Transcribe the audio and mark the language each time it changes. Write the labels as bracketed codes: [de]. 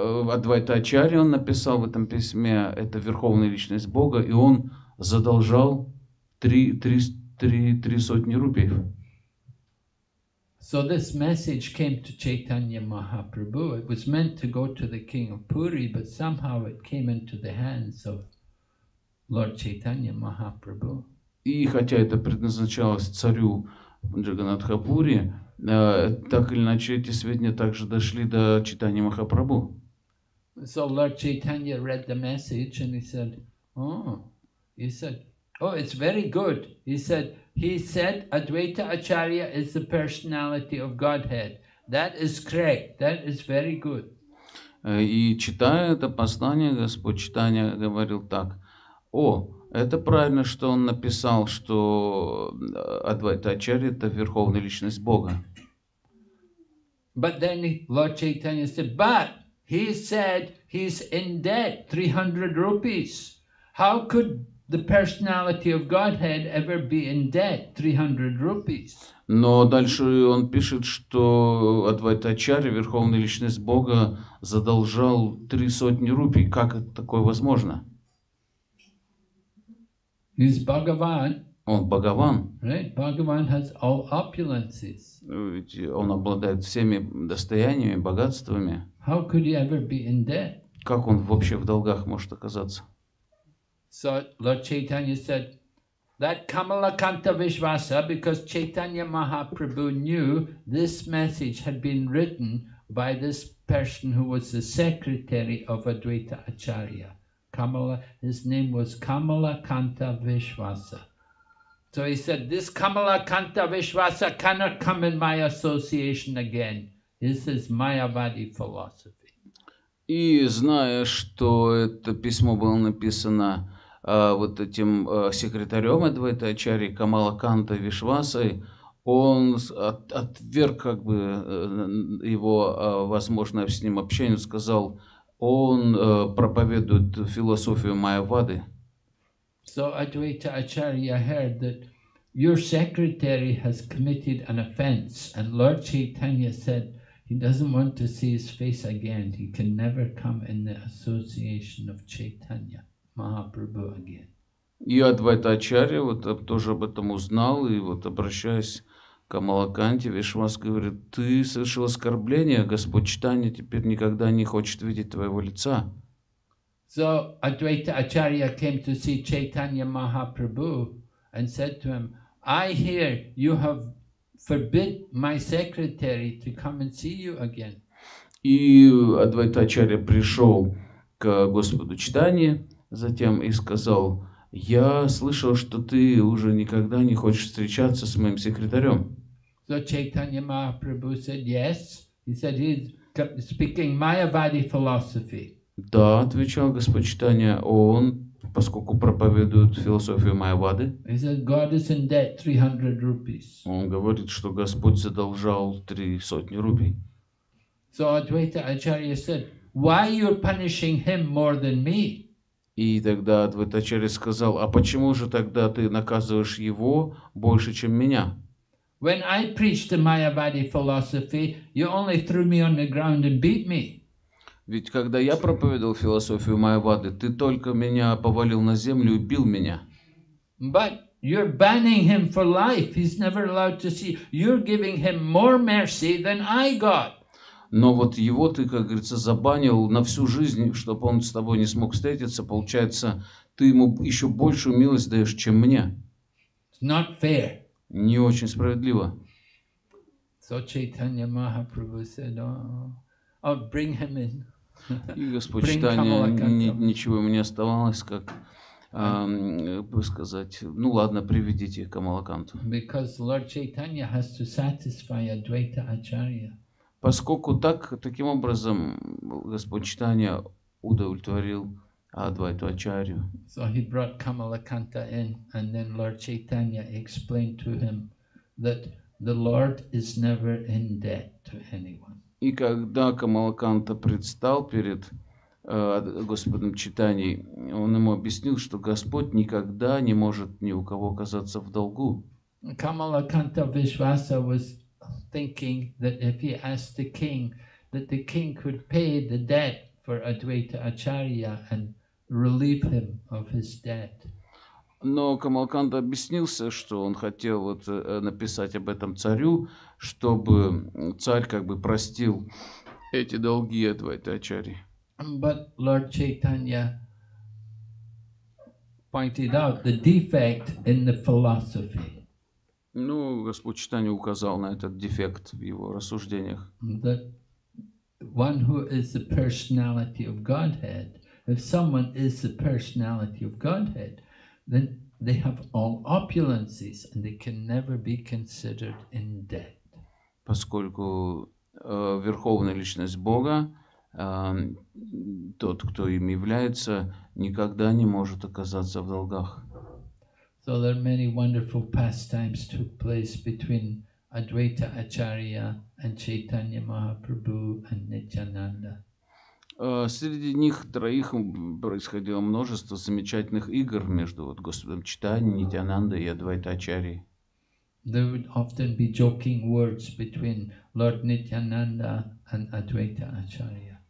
[ru] Адвайта Ачарьи, он написал в этом письме, это верховная личность Бога, и он задолжал 300 рупий. [en] So this message came to Chaitanya Mahaprabhu. It was meant to go to the king of Puri, but somehow it came into the hands of Lord Chaitanya Mahaprabhu. [ru] И хотя это предназначалось царю Джаганатхапури, так или иначе эти сведения также дошли до Чайтаньи Махапрабху. [en] So Lord Chaitanya read the message and he said, "Oh, he said, oh, it's very good." He said, "He said Advaita Acharya is the personality of Godhead. That is correct. That is very good." [ru] И читая это послание, Господь Чайтанья говорил так: "О, это правильно, что он написал, что Адвайта Ачарья – это верховная личность Бога." [en] But then Lord Chaitanya said, "But he said he's in debt 300 rupees. How could the personality of Godhead ever be in debt 300 rupees?" [ru] Но дальше он пишет, что Адвайта Ачарья, верховная личность Бога, задолжал 300 рупий. Как это такое возможно? [en] He's Bhagavan. [ru] Он Бхагаван. [en] Right? Bhagavan has all opulences. [ru] Ведь он обладает всеми достояниями, богатствами. [en] How could he ever be in debt? [ru] Как он вообще в долгах может оказаться? [en] So Lord Chaitanya said that Kamalakanta Vishvasa, because Chaitanya Mahaprabhu knew this message had been written by this person who was the secretary of Advaita Acharya. Kamala, his name was Kamalakanta Vishvasa. So he said, "This Kamalakanta Vishvasa cannot come in my association again. This is Mayavadi philosophy." [ru] И зная, что это письмо было написано вот этим секретарем Адвайта Ачарьи, Камалаканта Вишвасой, он отверг как бы его возможное с ним общение, сказал, он проповедует философию Майявады. [en] So Advaita Acharya heard that your secretary has committed an offense, and Lord Chaitanya said he doesn't want to see his face again. He can never come in the association of Chaitanya Mahaprabhu again. [ru] И Адвайта Ачарья вот тоже об этом узнал, и вот обращаясь Камалаканте, Вишвас говорит, ты совершил оскорбление, Господь Чайтанья теперь никогда не хочет видеть твоего лица. [en] So Advaita Acharya came to see Chaitanya Mahaprabhu and said to him, "I hear you have forbid my secretary to come and see you again." [ru] И Адвайта Ачарья пришел к Господу Чайтанье затем и сказал, "Я слышал, что ты уже никогда не хочешь встречаться с моим секретарем." [en] So Chaitanya Mahaprabhu said, "Yes." He said, "He's speaking Mayavadi philosophy." [ru] Да, отвечал Господь Чайтанья, он, поскольку проповедует философию Майявады. [en] He said, "God is in debt 300 rupees." [ru] Он говорит, что Господь задолжал 300 рупий. [en] So Advaita Acharya said, "Why you're punishing him more than me?" [ru] И тогда Адвайта Ачарья сказал, а почему же тогда ты наказываешь его больше, чем меня? [en] When I preached the Mayavadi philosophy, you only threw me on the ground and beat me. [ru] Ведь когда я проповедовал философию Майявады, ты только меня повалил на землю и бил меня. [en] But you're banning him for life. He's never allowed to see. You're giving him more mercy than I got. [ru] Но вот его ты, как говорится, забанил на всю жизнь, чтобы он с тобой не смог встретиться. Получается, ты ему еще большую милость даешь, чем мне. [en] It's not fair. [ru] Не очень справедливо. [en] So Chaitanya Mahaprabhu said, "Oh, bring him in." [ru] И Господь Чайтанья ничего ему не оставалось, как бы сказать, ну ладно, приведите Камалаканту. [en] Because Lord Chaitanya has to satisfy Advaita Acharya. [ru] Поскольку таким образом Господь Чайтанья удовлетворил Адвайту Ачарью. [en] So he brought Kamalakanta in, and then Lord Chaitanya explained to him that the Lord is never in debt to anyone. [ru] И когда Камалаканта предстал перед Господом Чайтаньей, он ему объяснил, что Господь никогда не может ни у кого оказаться в долгу. [en] Kamalakanta Vishvasa was thinking that if he asked the king, that the king could pay the debt for Advaita Acharya and relieve him of his debt. [ru] Но Камалканда объяснился, что он хотел вот написать об этом царю, чтобы царь как бы простил эти долги Адвайты Ачарьи. [en] But Lord Chaitanya pointed out the defect in the philosophy. [ru] Ну, Господь Чайтанья указал на этот дефект в его рассуждениях. [en] That one who is the personality of Godhead, if someone is the personality of Godhead, then they have all opulences and they can never be considered in debt. [ru] Поскольку верховная личность Бога, тот, кто им является, никогда не может оказаться в долгах. [en] So there are many wonderful pastimes took place between Advaita Acharya and Chaitanya Mahaprabhu and Nityananda. [ru] Среди них троих происходило множество замечательных игр между вот, Господом Чайтаньей, Нитьянандой и Адвайта Ачарьей. [en] There would often be joking words between Lord Nityananda and Advaita Acharya.